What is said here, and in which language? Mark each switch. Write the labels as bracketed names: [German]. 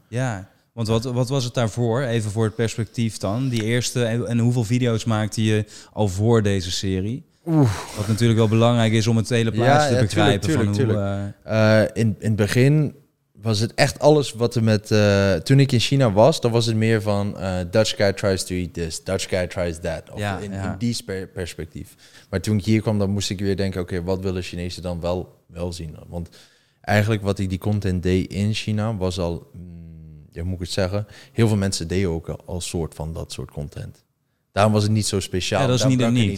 [Dutch] Ja, want wat was het daarvoor? Even voor het perspectief dan. Die eerste, en hoeveel video's maakte je al voor deze serie? Wat natuurlijk wel belangrijk is om het hele plaatje te begrijpen. Tuurlijk. In het begin was het echt alles wat er met... toen ik in China was, dan was het meer van... [English] Dutch guy tries to eat this, Dutch guy tries that. [Dutch] Of in die perspectief. Maar toen ik hier kwam, dan moest ik weer denken... Oké, wat willen Chinezen dan wel zien? Want eigenlijk wat ik die content deed in China was al... hoe moet ik het zeggen? Heel veel mensen deden ook al soort van dat soort content. Daarom was het niet zo speciaal. Ja, dat is niet uniek.